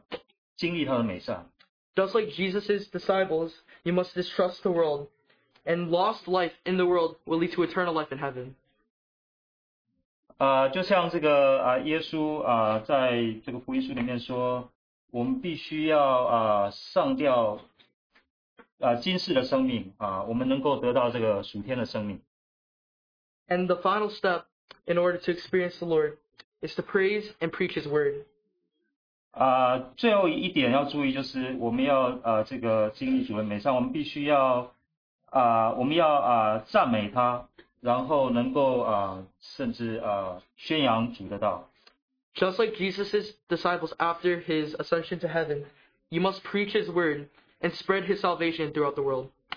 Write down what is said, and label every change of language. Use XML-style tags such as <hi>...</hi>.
<zh>当我们经历之后，我们就要跟随主，要经历他的美善。</zh> <en>Just like Jesus' disciples, you must distrust the world, and lost life in the world will lead to eternal life in heaven.</en> <zh>就像这个耶稣在这个福音书里面说，我们必须要上吊今世的生命，我们能够得到这个属天的生命。</zh> <en>And the final step in order to experience the Lord is to praise and preach His word.</en> <zh>最后一点要注意就是我们要经历主恩美善，我们必须要赞美他。然后能够甚至宣扬主的道。</zh> <en>Just like Jesus' disciples after His ascension to heaven, you must preach His word and spread His salvation throughout the world.</en>